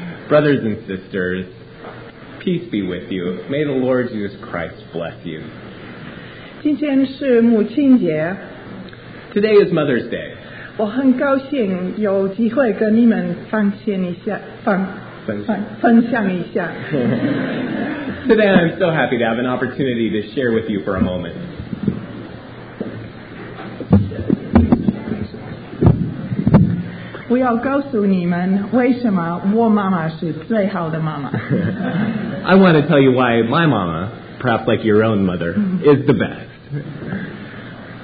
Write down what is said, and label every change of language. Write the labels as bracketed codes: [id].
[en] Brothers and sisters, peace be with you. May the Lord Jesus Christ bless you. [zh] 今天是母亲节。 [en] Today is Mother's Day. [zh] 我很高兴有机会跟你们分享一下。 [en] Today I'm so happy to have an opportunity to share with you for a moment. [zh] 我要告诉你们为什么我妈妈是最好的妈妈。 [en] I want to tell you why my mama, perhaps like your own mother, is the best.